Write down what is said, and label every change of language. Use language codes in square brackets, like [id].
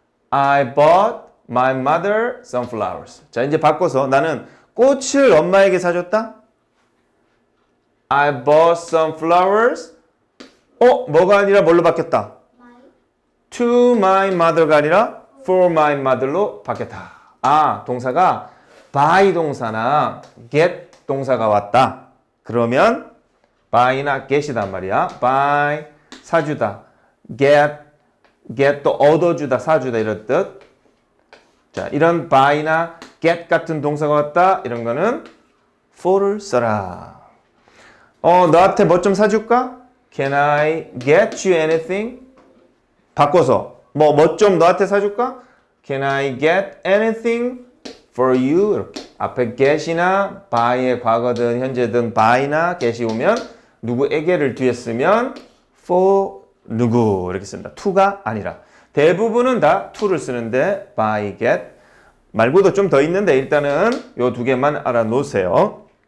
[en] I bought my mother some flowers. [ko] 자, 이제 바꿔서 나는 꽃을 엄마에게 사줬다. [en] I bought some flowers. [ko] 어, 뭐가 아니라 뭘로 바뀌었다? [en] to my mother [ko] 가 아니라 [en] for my mother로 [ko] 바뀌었다. 아, 동사가 buy 동사나 get 동사가 왔다. 그러면 buy나 get이단 말이야. buy, 사주다. get도 얻어주다, 사주다 이런 뜻. 자, 이런 buy나 get 같은 동사가 왔다. 이런 거는 for를 써라. 어, 너한테 뭐 좀 사줄까? [en] Can I get you anything? [ko] 바꿔서. 뭐, 뭐 좀 너한테 사줄까? [en] Can I get anything for you? [ko] 이렇게. 앞에 get이나 by의 과거든 현재든 by나 get이 오면 누구에게를 뒤에 쓰면 for 누구 이렇게 씁니다. to가 아니라. 대부분은 다 to를 쓰는데 by, get 말고도 좀 더 있는데 일단은 요 두 개만 알아놓으세요.